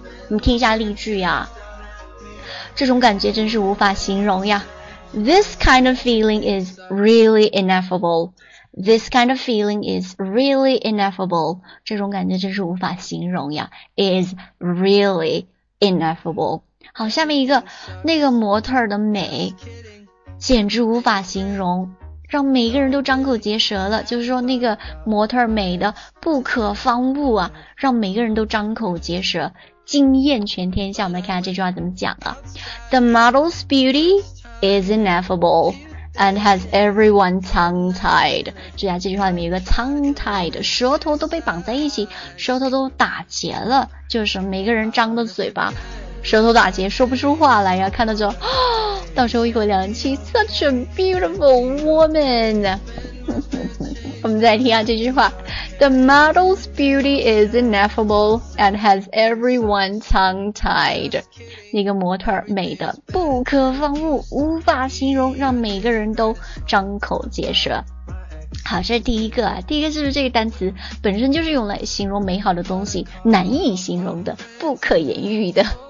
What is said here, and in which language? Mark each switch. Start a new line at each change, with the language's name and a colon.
Chinese: 你听一下例句呀，这种感觉真是无法形容呀。
English: This kind of feeling is really ineffableThis kind of feeling is really ineffable.
Chinese: 这种感觉真是无法形容呀。
English: Is really ineffable.
Chinese: 好，下面一个，那个模特的美简直无法形容，让每一个人都张口结舌了，就是说那个模特美的不可方物啊，让每一个人都张口结舌，惊艳全天下。我们来看看这句话怎么讲啊。
English: The model's beauty is ineffableAnd has everyone tongue-tied.
Chinese: 这句话里面有个 tongue-tied， 舌头都被绑在一起，舌头都打结了，就是每个人张的嘴巴舌头打结，说不出话来呀，看到就到时候一口两气
English: Such a beautiful woman
Chinese: 我们再听一下这句话
English: The model's beauty is ineffable and has everyone tongue-tied
Chinese: 那个模特美的不可方物无法形容让每个人都张口结舌好这是第一个啊第一个是不是这个单词本身就是用来形容美好的东西难以形容的不可言喻的